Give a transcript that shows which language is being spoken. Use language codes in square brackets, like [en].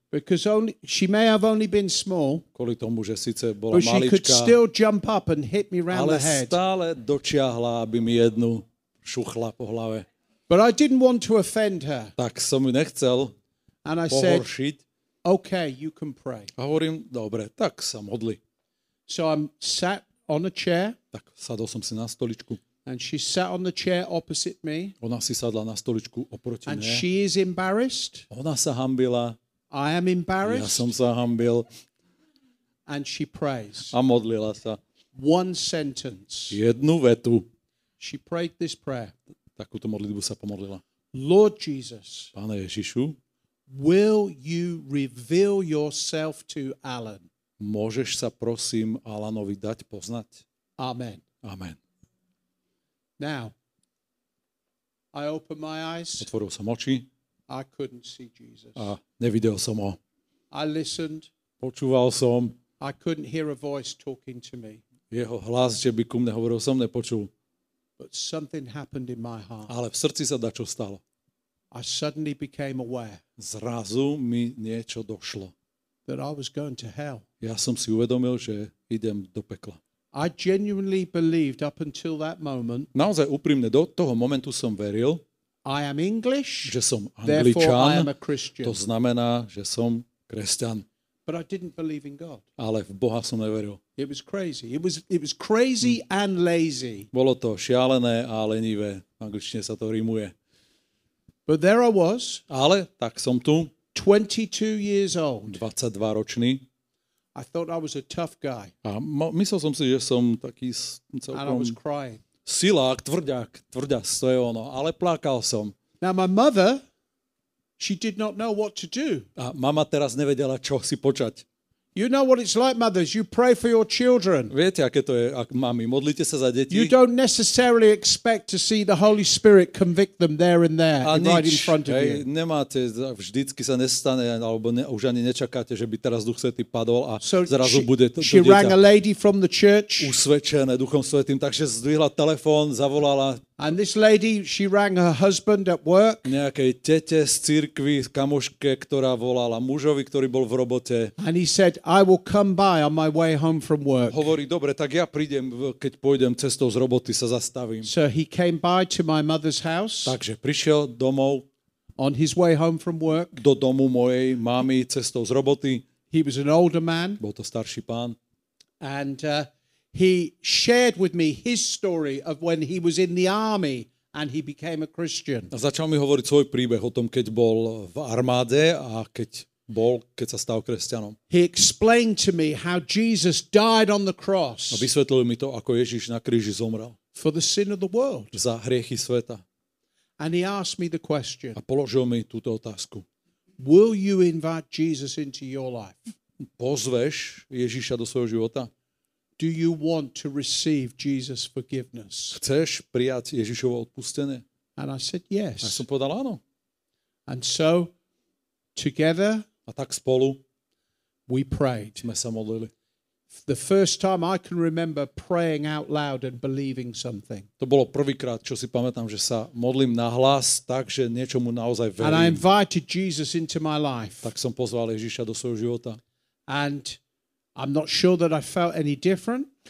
[en] Because only, she may have only been small. [sk] Kvôli tomu, že síce bola malička. [en] But she could still jump up and hit me round the head. [sk] Ale stále dočiahla, aby mi jednu šuchla po hlave. [en] But I didn't want to offend her. [sk] Tak som ju nechcel pohoršiť. [en] Okay, you can pray. [sk] A hovorím, dobre, tak sa modli. [en] So I'm sat on a chair. [sk] Tak sadol som si na stoličku. [en] And she sat on the chair opposite me. [sk] Ona si sadla na stoličku oproti [en] and And she is embarrassed. [sk] Ona sa hambila. [en] I am embarrassed. [sk] Ja som sa hambil. [en] And she prays. [sk] A modlila sa. [en] One sentence. [sk] Jednu vetu. [en] She prayed this prayer. [sk] Takúto modlitbu sa pomodlila. [en] Lord Jesus. [sk] Pane Ježišu. [en] Will you reveal yourself to Alan? [sk] Môžeš sa prosím Alanovi dať poznať? [en] Amen. [sk] Amen. [en] Now, I open my eyes. [sk] Otvoril som oči. [en] I couldn't see Jesus. [sk] A nevidel som ho. [en] I listened. [sk] Počúval som. [en] I couldn't hear a voice talking to me. [sk] Jeho hlas, že by ku mne hovoril, som nepočul. [en] But something happened in my heart. [sk] Ale v srdci sa dačo stalo. [en] I suddenly became aware. [sk] Zrazu mi niečo došlo. [en] That I was going to hell. [sk] Ja som si uvedomil, že idem do pekla. [en] I genuinely believed up until that moment. [sk] Naozaj úprimne do toho momentu som veril. [en] I am English. [sk] Že som Angličan. [en] I am a Christian. [sk] To znamená, že som kresťan. [en] But I didn't believe in God. [sk] Ale v Boha som neveril. [en] It was crazy. It was crazy and lazy. [sk] Bolo to šialené a lenivé. V angličtine sa to rímuje. [en] But there I was. [sk] Ale tak som tu. [en] 22 years old. [sk] 22 ročný. [en] I thought I was a tough guy. [sk] A myslel som si, že som taký celkom silák, tvrďák, tvrďas, to je ono, ale plakal som. [en] Now my mother, she did not know what to do. [sk] A mama teraz nevedela, čo si počať. [en] You know what it's like, mothers, you pray for your children. [sk] Viete, aké to je, ak mami, modlite sa za deti. [en] You don't necessarily expect to see the Holy Spirit convict them there and there, [sk] a [en] right [sk] nič, [en] in front of [sk] hej, [en] you. [sk] Nemáte, vždycky sa nestane, alebo už ani nečakáte, že by teraz Duch Svätý padol a so zrazu bude to dieťa. [en] She rang a lady from the church. [sk] Usvedčené Duchom Svätým, takže zdvihla telefón, zavolala [en] And this lady, she rang her husband at work. [sk] Nejakej tete z cirkvi, kamoške, ktorá volala mužovi, ktorý bol v robote. [en] And he said, I will come by on my way home from work. [sk] Hovorí, dobre, tak ja prídem, keď pôjdem cestou z roboty, sa zastavím. [en] So he came by to my mother's house. [sk] Takže prišiel domov. [en] On his way home from work. [sk] Do domu mojej mami cestou z roboty. [en] He was an older man. [sk] Bol to starší pán. [en] And he shared with me his story of when he was in the army and he became a Christian. [sk] A začal mi hovoriť svoj príbeh o tom, keď bol v armáde a keď sa stal kresťanom. [en] He explained to me how Jesus died on the cross. [sk] A vysvetlil mi to, ako Ježiš na kríži zomrel. [en] For the sin of the world. [sk] Za hriechy sveta. [en] And he asked me the question. [sk] A položil mi túto otázku. [en] Will you invite Jesus into your life? [sk] Pozveš Ježiša do svojho života? [en] Do you want to receive Jesus' forgiveness? [sk] Chceš prijať Ježišovo odpustenie? [en] And I said yes. [sk] A som povedal áno. [en] And so together, [sk] a tak spolu, [en] we prayed. [sk] Sme sa modlili. [en] The first time I can remember praying out loud and believing something. [sk] To bolo prvýkrát, čo si pamätám, že sa modlím nahlas, takže niečomu naozaj verím. [en] And I invited Jesus into my life. [sk] Tak som pozval Ježiša do svojho života. [en] And I'm not sure that I felt any different.